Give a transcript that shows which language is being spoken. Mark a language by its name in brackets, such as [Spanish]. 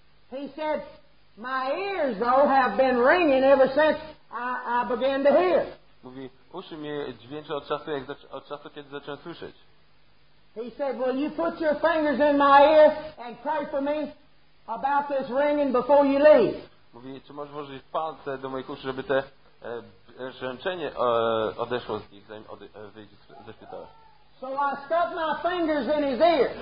[English] he said, my ears though have been ringing ever since I began to hear. [Polish] Mówi, uszy mnie dźwięczą od czasu, kiedy zacząłem słyszeć. [English] He said, will you put your fingers in my ear and pray for me about this ringing before you leave? [Polish] Mówi, czy możesz włożyć palce do moich uszy, żeby to rzęczenie odeszło z nich, zanim wyjdzie ze szpitala. [English] So I stuck my fingers in his ear.